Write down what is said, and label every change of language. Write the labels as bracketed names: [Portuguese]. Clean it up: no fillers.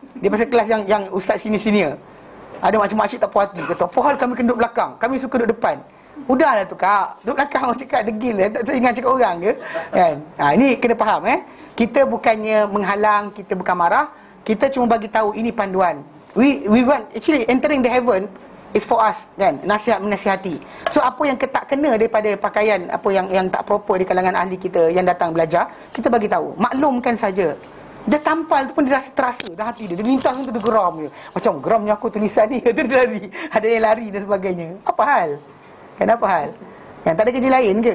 [Malay] Dia pasal kelas yang ustaz senior. Ada macam-macam tak puas hati. Kata, apa hal kami kena duduk belakang? Kami suka duduk depan. Udahlah tu, kak. Duduk belakang orang cakap degil lah. Tak ingat cakap orang ke? Kan? Ha, ini kena faham, eh. Kita bukannya menghalang, kita bukan marah. Kita cuma bagi tahu ini panduan. [English] We want, actually entering the heaven is for us, kan? [Malay] Nasihat menasihati. So apa yang tak kena daripada pakaian, apa yang tak proper di kalangan ahli kita yang datang belajar, kita bagi tahu. Maklumkan saja. Dia tampal tu pun dia rasa terasa dalam hati dia. Dia lintas tu dia geram je. Macam geramnya aku tulisan ni, dia lari. Ada yang lari dan sebagainya. Apa hal? Kenapa hal? Yang tak ada kerja lain ke?